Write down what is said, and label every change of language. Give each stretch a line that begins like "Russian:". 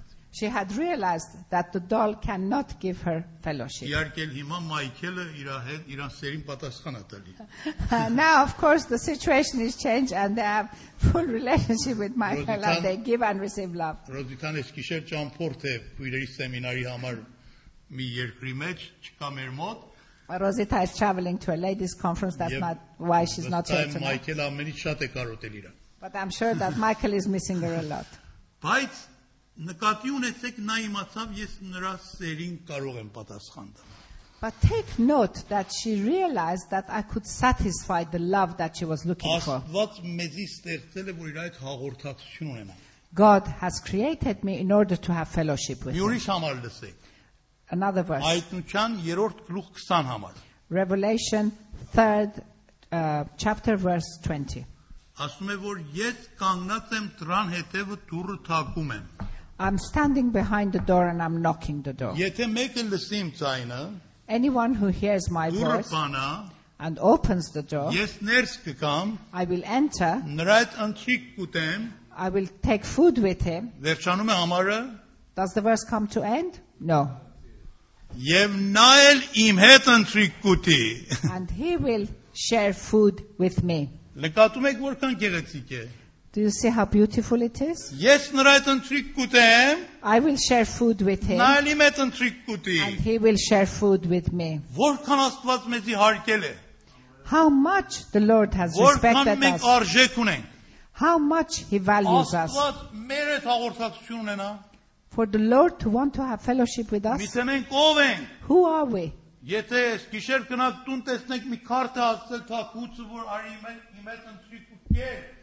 English: She had realized that the doll cannot give her fellowship. Now, of course, the situation has changed and they have full relationship with Michael and they give and receive love.
Armenian: Ռոզիտան էս գիշեր ճամփորդ է քույրերի սեմինարի համար մի երկրի մեջ, չկա մեր մոտ.
English: Rosita is traveling to a ladies' conference. That's not why she's not here tonight.
Armenian: Michael ամենից շատ է կարոտել իրա.
English: But I'm sure that Michael is missing her a lot.
Armenian: Բայց նկատի ունեցեք, նա իմացավ, ես նրա սերին կարող եմ պատասխանել.
English: But take note that she realized that I could satisfy the love that she was looking for.
Armenian: Աստված մեզի ստեղծել է, որ իր այդ հաղորդակցություն ունենա.
English: God has created me in order to have fellowship with him.
Armenian: Մի ուրիշ համար լսեք.
English: Another verse.
Armenian: Այդնության 3-րդ գլուխ 20 համար.
English: Revelation 3rd chapter verse 20.
Armenian: Ասում է, որ ես կանգնած եմ դրան հետևը դուռը թակում եմ.
English: I'm standing behind the door and I'm knocking the door.
Armenian: Եթե մեկը լսի իմ ձայնը,
English: anyone who hears my voice and opens the door,
Armenian: ես ներս կգամ,
English: I will enter,
Armenian: նրան ընթրիկ կուտեմ,
English: I will take food with him.
Armenian: Վերջանում է համարը?
English: Does the verse come to end? No.
Armenian: Եվ նա էլ իմ հետ ընթրիկ կուտի.
English: And he will share food with me.
Armenian: Նկատում եք որքան գեղեցիկ է?
English: Do you see how beautiful it is?
Armenian: Yes, նրան ընթրիկ կուտեմ.
English: I will share food with him.
Armenian: Նա էլ իմ հետ ընթրիկ կուտի.
English: And he will share food with me.
Armenian: Որքան Աստված մեզի հարգել է?
English: How much the Lord has respected us.
Armenian: Որքան մենք արժեք ունենք.
English: How much he values us.
Armenian: Աստված մեր հետ հաղորդակցություն ունենա.
English: For the Lord to want to have fellowship with us.
Armenian: Միտե մենք ով ենք?
English: Who are we?
Armenian: Եթե ես գիշեր գնանք տուն տեսնենք մի քարտը հասել թաքուց որ արի իմ հետ ընթրիկ կուտի է.